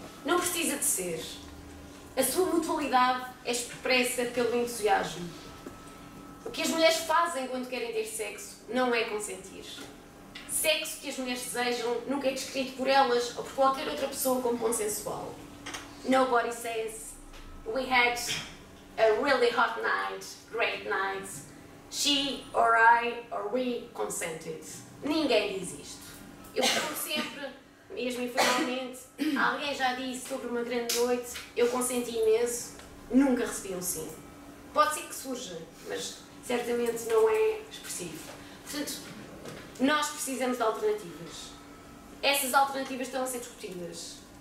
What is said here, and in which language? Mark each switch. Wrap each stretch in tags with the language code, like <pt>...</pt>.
<pt>Não precisa de ser. A sua mutualidade é expressa pelo entusiasmo. O que as mulheres fazem quando querem ter sexo não é consentir. Sexo que as mulheres desejam nunca é descrito por elas ou por qualquer outra pessoa como consensual.</pt> <en>Nobody says, we had a really hot night, great night. She or I or we consented.</en> <pt>Ninguém diz isto. Eu pergunto sempre, mesmo informalmente, alguém já disse sobre uma grande noite, eu consenti imenso, nunca recebi um sim. Pode ser que surja, mas certamente não é expressivo. Portanto, nós precisamos de alternativas. Essas alternativas estão a ser discutidas.</pt>